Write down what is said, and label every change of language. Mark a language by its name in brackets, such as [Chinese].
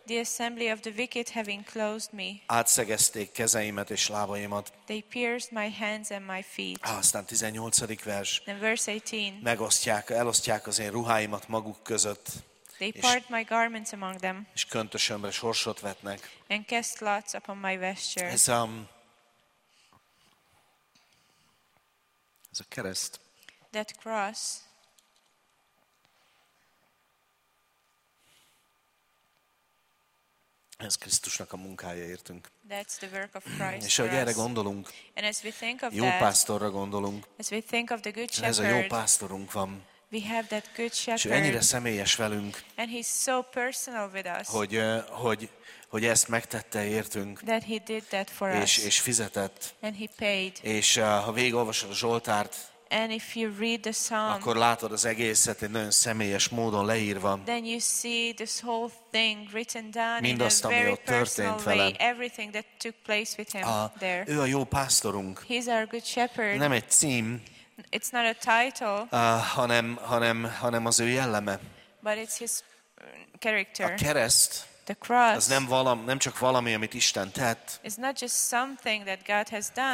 [English] The assembly of the wicked have enclosed me. [Hungarian] Átszegezték kezeimet és lábaimat. [English] They pierced my hands and my feet. [Hungarian] Aztán 18. vers. [English] Then verse 18. [Hungarian] Elosztják az én ruháimat maguk között. [English] They part my garments among them. [Hungarian] És köntösömre sorsot vetnek. [English] And cast lots upon my vesture. [Hungarian] Ez a kereszt. [English] That cross. [Hungarian] Ez Krisztusnak a munkája, értünk. [English] That's the work of Christ. [Hungarian] És ahogy erre gondolunk, [English] and as we think of [Hungarian] jó pásztorra gondolunk, [English] as we think of the good shepherd, [Hungarian] ez a jó pásztorunk van. [English] We have that good shepherd, [Hungarian] és ő ennyire személyes velünk, [English] and he's so personal with us, [Hungarian] hogy ezt megtette, értünk, [English] that he did that for us, [Hungarian] és fizetett, [English] and he paid. [Hungarian] És ha végigolvasod a Zsoltárt, [English] and if you read the psalm, [Hungarian] akkor látod az egészet egy nagyon személyes módon leírva. [English] Then you see this whole thing written down in a very personal way. Everything that took place with him there. [Hungarian] Ő a jó pásztorunk. [English] He's our good shepherd. [Hungarian] Nem egy cím. [English] It's not a title. [Hungarian] Hanem az ő jelleme. [English] But it's his character. [Hungarian] A kereszt. [English] The cross. [Hungarian] Az nem csak valami, amit Isten tett. [English] It's not just something that God has done.